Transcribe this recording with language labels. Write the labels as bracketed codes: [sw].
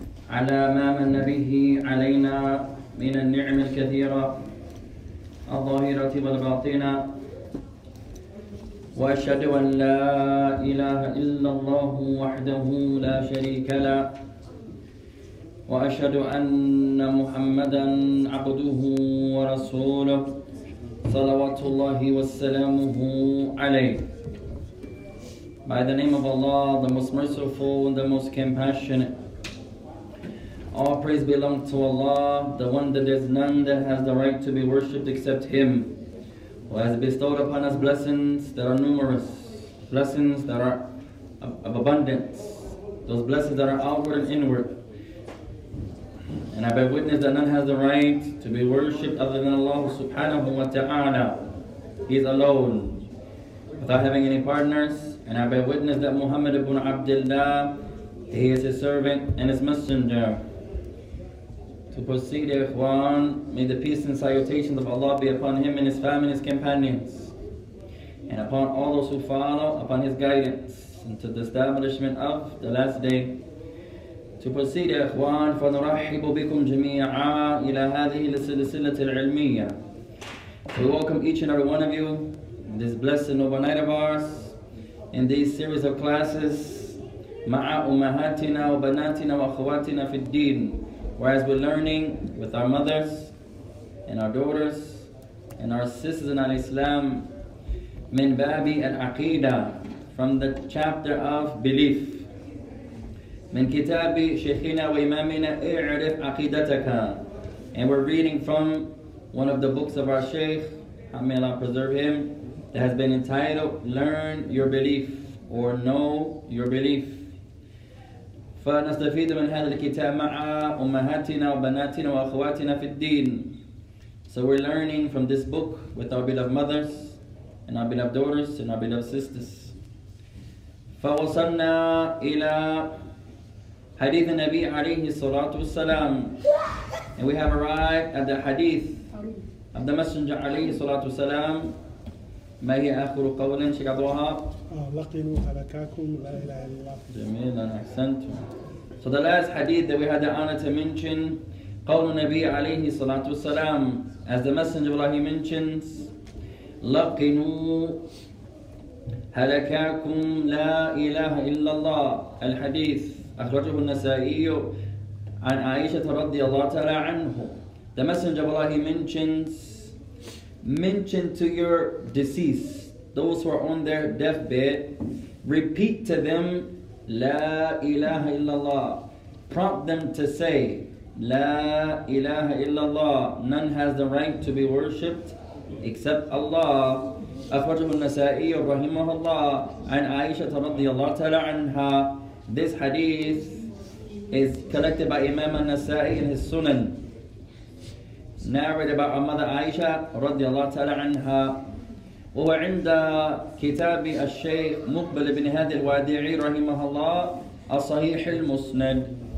[ar] على ما من به علينا من النعم الكثيرة الظاهرة والباطنة وأشهد أن لا إله إلا الله وحده لا شريك له وأشهد أن محمدًا عبده ورسوله صلوات الله وسلامه عليه. [en] By the name of Allah, the most merciful and the most compassionate. All praise belong to Allah, the one that there's none that has the right to be worshipped except Him, who has bestowed upon us blessings that are numerous, blessings that are of abundance, those blessings that are outward and inward. And I bear witness that none has the right to be worshipped other than Allah subhanahu wa ta'ala. He is alone, without having any partners. And I bear witness that Muhammad ibn Abdullah, he is his servant and his messenger. To proceed, ikhwan, may the peace and salutations of Allah be upon him and his family and his companions, and upon all those who follow upon his guidance until the establishment of the last day. To proceed, [ar] يا إخوان, فنرحب بكم جميعا إلى هذه السلسلة العلمية. [en] We welcome each and every one of you in this blessed noble night of ours, in these series of classes, [ar] مع أمهاتنا وبناتنا وأخواتنا في الدين, [en] whereas we're learning with our mothers and our daughters and our sisters in al-Islam, [ar] من باب العقيدة, [en] from the chapter of belief. [ar] من كتاب شيخنا وإمامنا اعرف عقيدتك. [en] And we're reading from one of the books of our Shaykh, may Allah preserve him, that has been entitled Learn Your Belief or Know Your Belief. [ar] فنستفيد من هذا الكتاب مع أمهاتنا وبناتنا وأخواتنا في الدين. [en] So we're learning from this book with our beloved mothers and our beloved daughters and our beloved sisters. [ar] فوصلنا إلى حديث النبي عليه الصلاة والسلام. [en] And we have arrived at the hadith of the Messenger [ar] عليه الصلاة والسلام. ما هي آخر قول شكرها؟ لقنوا هلكاكم لا إله إلا الله. جميل أن أحسنتم. [en] So the last hadith that we had the honor to mention, [ar] قول النبي عليه الصلاة والسلام, [en] as the Messenger of Allah mentions, [ar] لقنوا هلكاكم لا إله إلا الله. الحديث أخرجه النسائي عن عائشة رضي الله تعالى عنه. [en] The Messenger of Allah mention to your deceased, those who are on their deathbed, repeat to them [ar] لا إله إلا الله. [en] Prompt them to say [ar] لا إله إلا الله. [en] None has the right to be worshipped except Allah. [ar] أخرجه النسائي رحمه الله عن عائشة رضي الله تعالى عنها. [en] This hadith is collected by Imam al-Nasa'i in his Sunan, narrated by our mother Aisha radiallahu ta'ala anha. [ar] وهو عند كتاب الشيخ مقبل بن هادي الوادعي رحمه الله الصحيح المسند.